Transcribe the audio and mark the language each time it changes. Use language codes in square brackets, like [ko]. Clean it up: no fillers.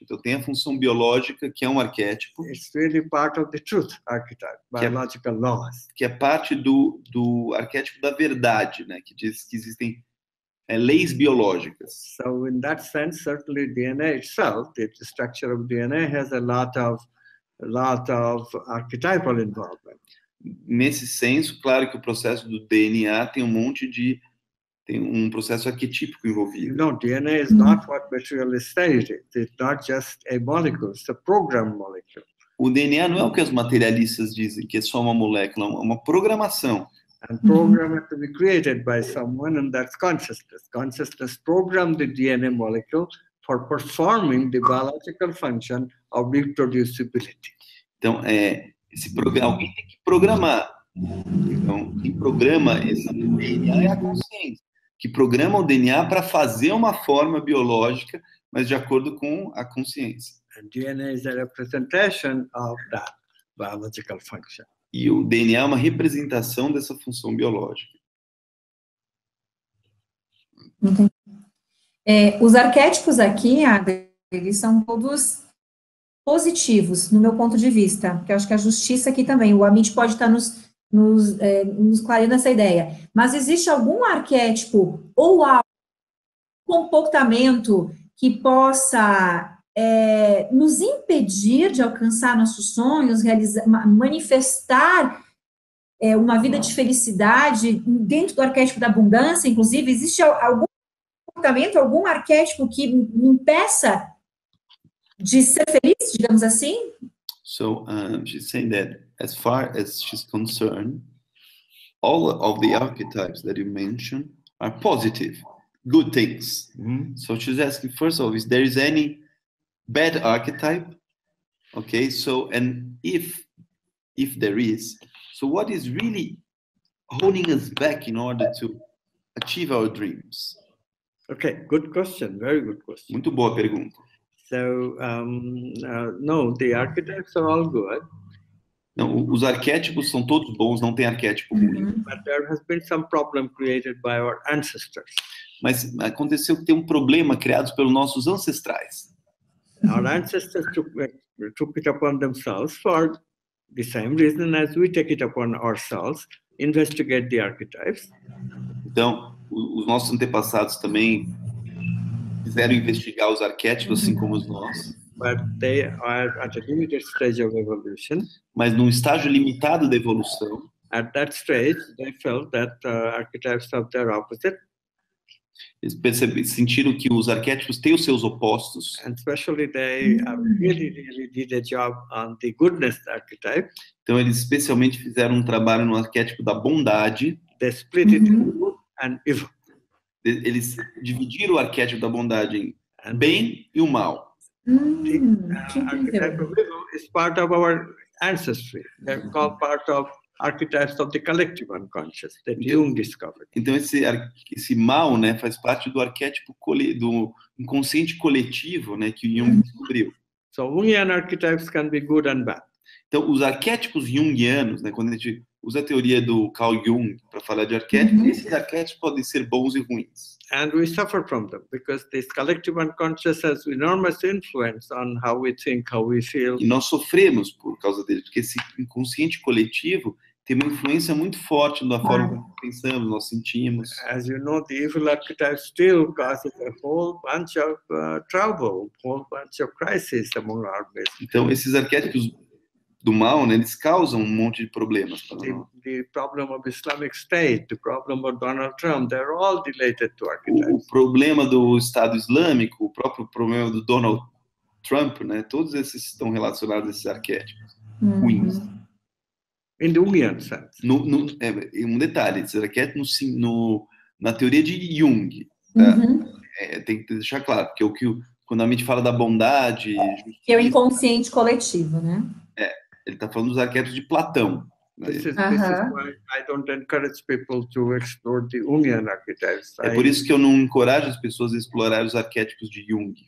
[pt] Então tem a função biológica que é um arquétipo. [en] It's really part of the truth archetype, biological laws. [pt] Que é parte do arquétipo da verdade, né? Que diz que existem leis biológicas. [en] So in that sense, certainly DNA itself, the structure of DNA has a lot of archetypal involvement. [pt] Nesse senso, claro que o processo do DNA tem um processo arquetípico envolvido. [en] No, DNA is not what materialists say it is. It's not just a molecule, it's a programmed molecule. [pt] O DNA não é o que os materialistas dizem, que é só uma molécula, é uma programação. [en] And programmed to be created by someone, and that's consciousness. Consciousness programmed the DNA molecule for performing the biological function of reproducibility. [pt] Então, alguém tem que programar. Então, quem programa esse DNA é a consciência. Que programa o DNA para fazer uma forma biológica, mas de acordo com a consciência. [en] The DNA is a representation of that biological function. [pt] E o DNA é uma representação dessa função biológica. Os arquétipos aqui, eles são todos positivos, no meu ponto de vista, que eu acho que a justiça aqui também, o Amit pode estar nos clareando essa ideia, mas existe algum arquétipo ou algum comportamento que possa nos impedir de alcançar nossos sonhos, manifestar uma vida de felicidade dentro do arquétipo da abundância, inclusive, existe algum comportamento, algum arquétipo que impeça de ser feliz, digamos assim? [en] So, she's saying that as far as she's concerned, all of the archetypes that you mentioned are positive, good things. Mm-hmm. So she's asking, first of all, if there is any bad archetype, okay, so, and if there is, so what is really holding us back in order to achieve our dreams? Okay, good question. Very good question. [pt] Muito boa pergunta. [en] So, no, the architects are all good. [pt] Não, os arquétipos são todos bons, não tem arquétipo ruim. [en] But there has been some problem created by our ancestors. [pt] Mas aconteceu que tem um problema criado pelos nossos ancestrais. [en] Our ancestors took it upon themselves for the same reason as we take it upon ourselves, investigate the archetypes. [pt] Então, os nossos antepassados também fizeram investigar os arquétipos, assim como os nós. [en] But they are at a limited stage of evolution. [pt] Mas num estágio limitado da evolução. [en] At that stage, they felt that archetypes have their opposite. [pt] Eles sentiram que os arquétipos têm os seus opostos. [en] And especially they really, really did a job on the goodness archetype. [pt] Então eles especialmente fizeram um trabalho no arquétipo da bondade. [en] They split it in good and evil. [pt] Eles dividiram o arquétipo da bondade em bem e o mal. [en] Archetype is part of our ancestry. They're called part of archetypes of the collective unconscious that Jung discovered. [pt] Então esse mal, né, faz parte do arquétipo do inconsciente coletivo, né, que Jung descobriu. [en] So Jungian archetypes can be good and bad. [pt] Então os arquétipos jungianos, né, quando a gente usa a teoria do Carl Jung para falar de arquétipos, esses arquétipos podem ser bons e ruins. [en] And we suffer from them because this collective unconscious has enormous influence on how we think, how we feel. [pt] E nós sofremos por causa deles, porque esse inconsciente coletivo tem uma influência muito forte na forma como pensamos, nós sentimos. [en] As you know, the evil archetype still causes a whole bunch of trouble, whole bunch of crisis among our race. [pt] Então esses arquétipos do mal, né, eles causam um monte de problemas para nós. [en] The problem of Islamic State, the problem of Donald Trump, they're all related to archetypes. [pt] O problema do Estado Islâmico, o próprio problema do Donald Trump, né, todos esses estão relacionados a esses arquétipos ruins. [en] In the Jungian sense. [pt] Um detalhe, esses arquétipos na teoria de Jung, tem que deixar claro, porque quando a mente fala da bondade... Que é o inconsciente coletivo, né? Ele está falando dos arquétipos de Platão. [en] This is why I don't encourage people to explore the Jungian archetypes. [pt] É por isso que eu não encorajo as pessoas a explorar os arquétipos de Jung.